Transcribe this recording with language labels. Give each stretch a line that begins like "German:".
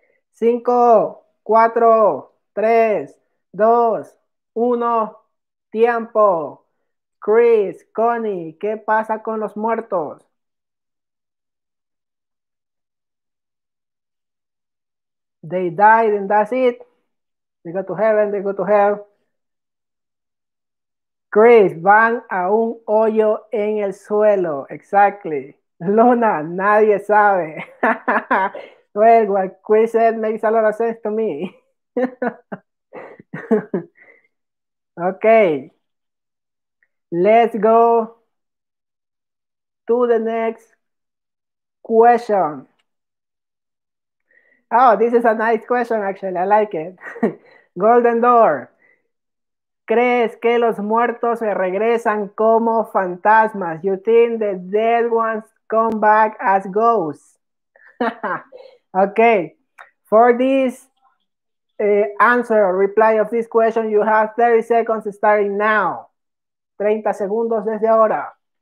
Spanish: Cinco, cuatro, tres, dos, uno, tiempo. Chris, Connie, ¿qué pasa con los muertos?
English: They died and that's it. They go to heaven, they go to hell.
Spanish: Chris, van a un hoyo en el suelo.
English: Exactly. Luna,
Spanish: nadie sabe.
English: Well, what Chris said makes a lot of sense to me. Okay. Let's go to the next question. Oh, this is a nice question, actually. I like it. Golden Door.
Spanish: ¿Crees que los muertos se regresan como fantasmas?
English: You think the dead ones come back as ghosts? Okay. For this answer or reply of this question, you have 30 seconds starting now.
Spanish: 30 segundos desde ahora.